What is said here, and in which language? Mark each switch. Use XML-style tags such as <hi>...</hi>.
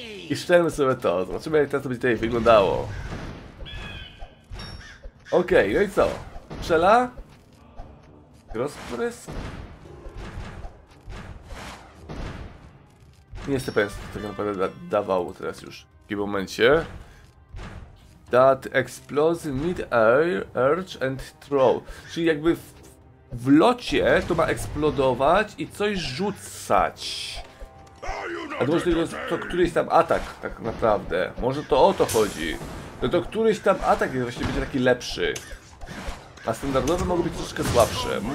<pl>I strzelmy sobie to, zobaczymy jak to będzie tutaj wyglądało. Okej, okay, no i co? Strzela? Rozprysk? Nie jestem pewien, co tak naprawdę dawało teraz już w takim momencie.</pl> <en>That explodes mid-air, urge and throw.</en> <pl>Czyli jakby w locie to ma eksplodować i coś rzucać. A to może to któryś tam atak, tak naprawdę. Może to o to chodzi. No to któryś tam atak jest właśnie będzie taki lepszy. A standardowe mogą być troszkę słabsze.</pl>